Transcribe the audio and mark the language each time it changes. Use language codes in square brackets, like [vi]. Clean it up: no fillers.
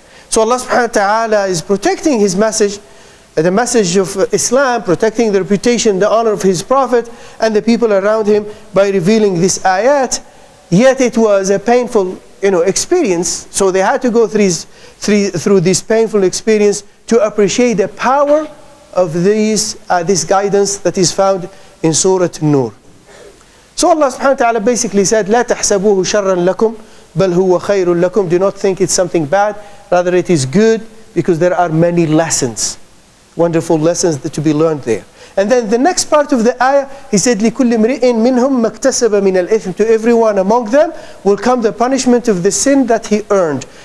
[en] So Allah subhanahu wa ta'ala is protecting his message, the message of Islam, protecting the reputation, the honor of his prophet and the people around him by revealing this ayat. Yet it was a painful, you know, experience. So they had to go through this painful experience to appreciate the power of this guidance that is found in Surah An-Nur. So Allah subhanahu wa ta'ala basically said, [ar] لَا تَحْسَبُوهُ شَرًّا لَكُمْ بَلْ هُوَ خَيْرٌ لَكُمْ. [en] Do not think it's something bad, rather it is good, because there are many lessons, wonderful lessons to be learned there. And then the next part of the ayah, he said, [ar] لِكُلِّ مْرِئٍ مِّنْهُمْ مَكْتَسَبَ مِنَ الْإِثْمِ. [en] To everyone among them will come the punishment of the sin that he earned.